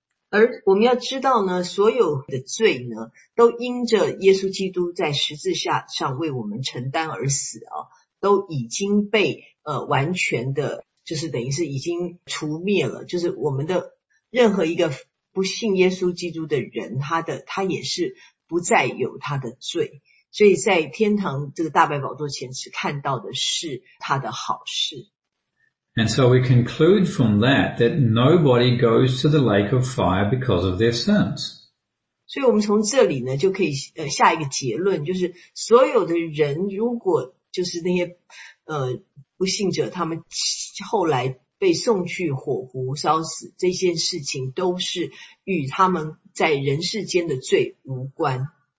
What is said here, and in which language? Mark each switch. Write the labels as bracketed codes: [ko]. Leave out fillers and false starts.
[zh] 而我们要知道呢，所有的罪呢，都因着耶稣基督在十字架上为我们承担而死啊，都已经被完全的就是等于是已经除灭了，就是我们的任何一个不信耶稣基督的人，他也是不再有他的罪，所以在天堂这个大白宝座前只看到的是他的好事。 [en] And so we conclude from that that nobody goes to the lake of fire because of their sins. [zh] 所以我们从这里呢就可以下一个结论，就是所有的人如果就是那些不信者，他们后来被送去火湖烧死，这件事情都是与他们在人世间的罪无关。